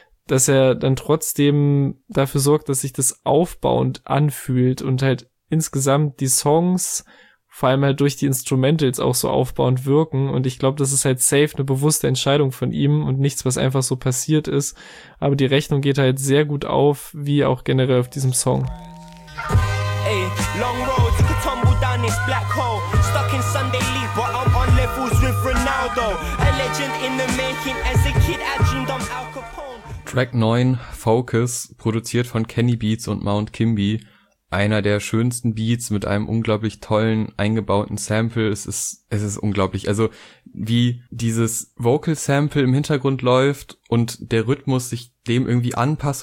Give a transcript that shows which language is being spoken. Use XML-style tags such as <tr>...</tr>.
<de>dass er dann trotzdem dafür sorgt, dass sich das aufbauend anfühlt und halt insgesamt die Songs vor allem halt durch die Instrumentals auch so aufbauend wirken. Und ich glaube, das ist halt safe eine bewusste Entscheidung von ihm und nichts, was einfach so passiert ist. Aber die Rechnung geht halt sehr gut auf, wie auch generell auf diesem Song.</de> <en>Ey, long road, you can tumble down this black hole. Stuck in Sunday League, but I'm on levels with Ronaldo. A legend in the making, as a kid I dreamed on Al Capone.</en> <de>Track 9, Focus, produziert von Kenny Beats und Mount Kimby. Einer der schönsten Beats mit einem unglaublich tollen eingebauten Sample. Es ist unglaublich. Also wie dieses Vocal Sample im Hintergrund läuft und der Rhythmus sich dem irgendwie anpasst.</de>